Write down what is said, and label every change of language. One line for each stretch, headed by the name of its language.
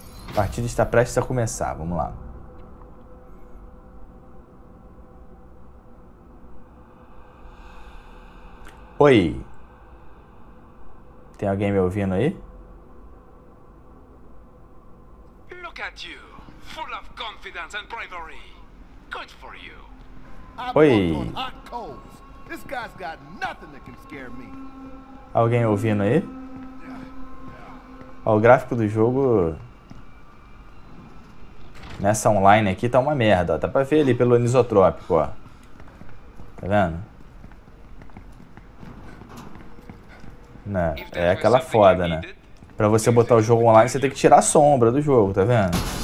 Portuguese: A partida está prestes a começar. Vamos lá. Oi, tem alguém me ouvindo aí?
English: Look at you, full of confidence and bravery. Good for you.
Portuguese: Oi.
English: This guy's got nothing that can scare me.
Portuguese: Alguém ouvindo aí? Ó, o gráfico do jogo nessa online aqui tá uma merda. Ó. Dá pra ver ali pelo anisotrópico, ó. Tá vendo? Né? É aquela foda, né? Pra você botar o jogo online, você tem que tirar a sombra do jogo, tá vendo?